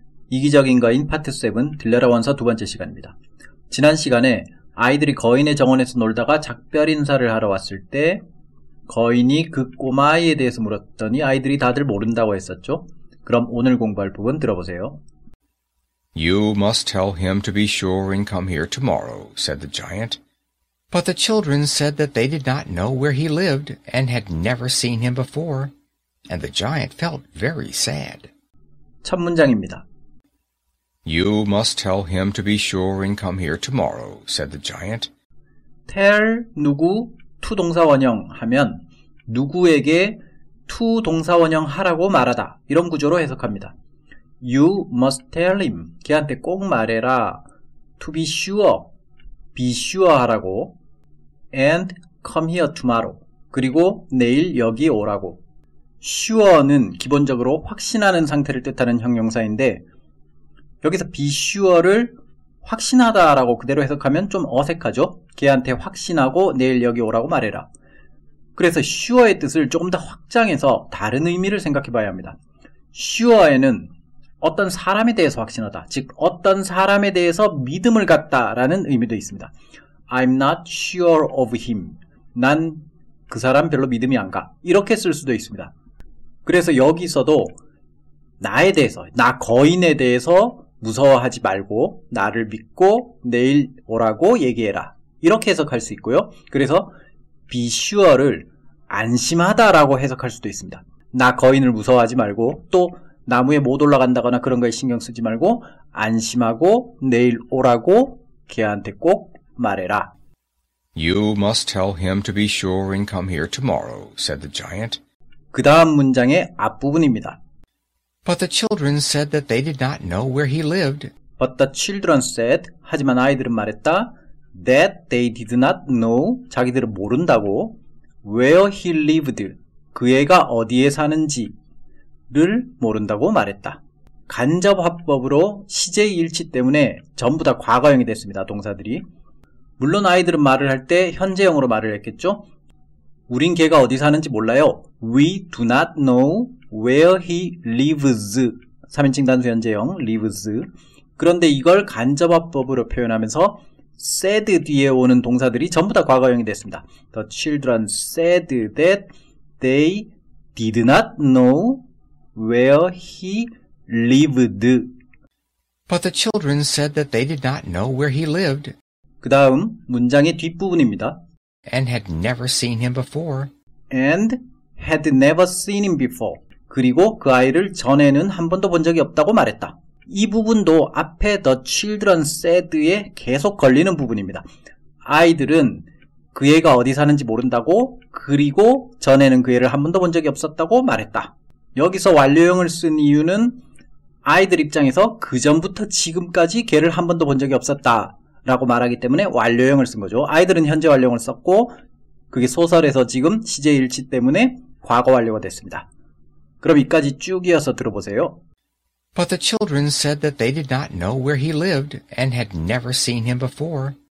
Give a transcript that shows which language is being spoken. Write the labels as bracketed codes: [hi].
[ko] 이기적인 거인 파트 7, 들려라 원서 두 번째 시간입니다. 지난 시간에 아이들이 거인의 정원에서 놀다가 작별 인사를 하러 왔을 때 거인이 그 꼬마아이에 대해서 물었더니 아이들이 다들 모른다고 했었죠. 그럼 오늘 공부할 부분 들어보세요. [en] You must tell him to be sure and come here tomorrow, said the giant. But the children said that they did not know where he lived and had never seen him before, and the giant felt very sad. [ko] 첫 문장입니다. [en] You must tell him to be sure and come here tomorrow, said the giant. [ko] Tell 누구 to 동사원형 하면 누구에게 to 동사원형 하라고 말하다 이런 구조로 해석합니다. [en] You must tell him, [ko] 걔한테 꼭 말해라. [en] To be sure 하라고. And come here tomorrow, [ko] 그리고 내일 여기 오라고. Sure는 기본적으로 확신하는 상태를 뜻하는 형용사인데 여기서 be sure를 확신하다라고 그대로 해석하면 좀 어색하죠? 걔한테 확신하고 내일 여기 오라고 말해라. 그래서 sure의 뜻을 조금 더 확장해서 다른 의미를 생각해 봐야 합니다. Sure에는 어떤 사람에 대해서 확신하다, 즉 어떤 사람에 대해서 믿음을 갖다라는 의미도 있습니다. [en] I'm not sure of him. [ko] 난 그 사람 별로 믿음이 안 가. 이렇게 쓸 수도 있습니다. 그래서 여기서도 나에 대해서, 나 거인에 대해서 무서워하지 말고 나를 믿고 내일 오라고 얘기해라. 이렇게 해석할 수 있고요. 그래서 be sure를 안심하다라고 해석할 수도 있습니다. 나 거인을 무서워하지 말고 또 나무에 못 올라간다거나 그런 거에 신경 쓰지 말고 안심하고 내일 오라고 걔한테 꼭 말해라. [en] You must tell him to be sure and come here tomorrow, said the giant. [ko] 그 다음 문장의 앞부분입니다. [en] But the children said that they did not know where he lived. But the children said, [ko] 하지만 아이들은 말했다. [en] That they did not know, [ko] 자기들은 모른다고. [en] Where he lived, [ko] 그 애가 어디에 사는지를 모른다고 말했다. 간접합법으로 시제일치 때문에 전부 다 과거형이 됐습니다, 동사들이. 물론 아이들은 말을 할 때 현재형으로 말을 했겠죠? 우린 걔가 어디 사는지 몰라요. [en] We do not know where he lives. [ko] 3인칭 단수 현재형 lives. 그런데 이걸 간접합법으로 표현하면서 said 뒤에 오는 동사들이 전부 다 과거형이 됐습니다. [en] The children said that they did not know where he lived. But the children said that they did not know where he lived. [ko] 그 다음 문장의 뒷부분입니다. [en] And had never seen him before. And had never seen him before. [ko] 그리고 그 아이를 전에는 한 번도 본 적이 없다고 말했다. 이 부분도 앞에 [en] the children said [ko] 에 계속 걸리는 부분입니다. 아이들은 그 애가 어디 사는지 모른다고, 그리고 전에는 그 애를 한 번도 본 적이 없었다고 말했다. 여기서 완료형을 쓴 이유는 아이들 입장에서 그 전부터 지금까지 걔를 한 번도 본 적이 없었다 라고 말하기 때문에 완료형을 쓴 거죠. 아이들은 현재 완료형을 썼고 그게 소설에서 지금 시제일치 때문에 과거 완료가 됐습니다. 그럼 이까지 쭉 이어서 들어보세요. [en] But the children said that they did not know where he lived and had never seen him before.